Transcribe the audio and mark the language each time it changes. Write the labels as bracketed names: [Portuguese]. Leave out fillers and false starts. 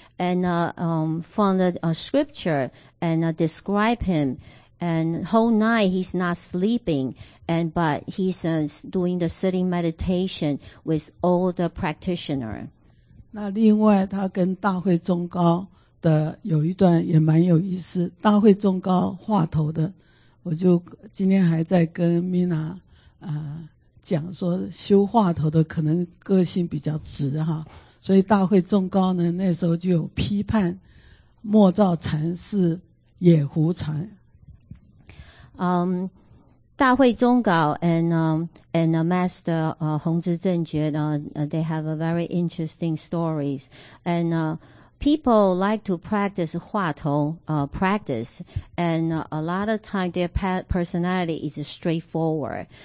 [English] And from the scripture and describe him,And whole night he's not sleeping, and but he's doing the sitting meditation with all the practitioner. [Chinese] 那另外他跟大会宗高的有一段也蛮有意思，大会宗高话头的，我就今天还在跟 Mina 讲说修话头的可能个性比较直哈，所以大会宗高呢那时候就有批判默照禅是野狐禅。 [English] 大会宗稿 and Master 弘智正觉 they have a very interesting stories, and people like to practice 话头, practice, and a lot of time their personality is straightforward.